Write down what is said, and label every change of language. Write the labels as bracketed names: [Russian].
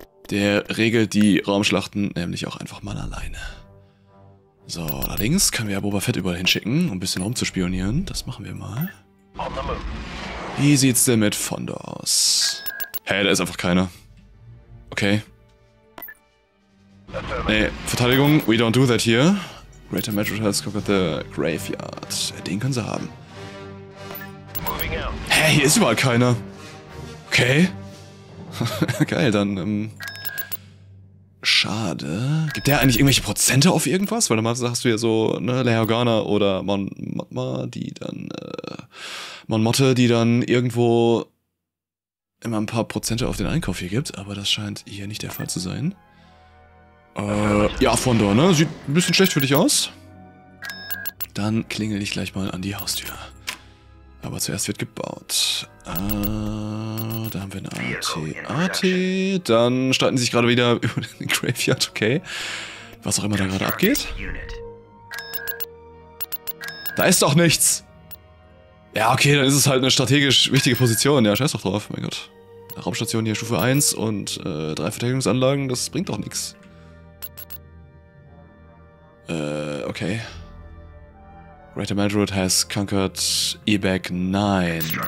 [German] Der regelt die Raumschlachten nämlich auch einfach mal alleine. So, allerdings können wir ja Boba Fett überall hinschicken, um ein bisschen rumzuspionieren. Das machen wir mal. Wie sieht's denn mit Fondo aus? Hä, da ist einfach keiner. Okay. Nee, Verteidigung, [English] we don't do that here. Greater Metro has conquered the graveyard. [German] Den können sie haben. Hä, hier ist überall keiner. Okay. Geil, dann, schade. Gibt der eigentlich irgendwelche Prozente auf irgendwas? Weil normalerweise hast du ja so, ne, Leia Organa oder Mon Mothma, die dann, Mon Motte, die dann irgendwo immer ein paar Prozente auf den Einkauf hier gibt. Aber das scheint hier nicht der Fall zu sein. Ja, von da, ne? Sieht ein bisschen schlecht für dich aus. Dann klingel ich gleich mal an die Haustür. Aber zuerst wird gebaut. Da haben wir ein AT-AT. Dann starten sie sich gerade wieder über den Graveyard, okay. Was auch immer da gerade abgeht. Da ist doch nichts! Ja, okay, dann ist es halt eine strategisch wichtige Position. Ja, scheiß doch drauf, mein Gott. Raumstation hier Stufe 1 und drei Verteidigungsanlagen, das bringt doch nichts. Okay. [English] Greater Maldrud has conquered Ebek 9.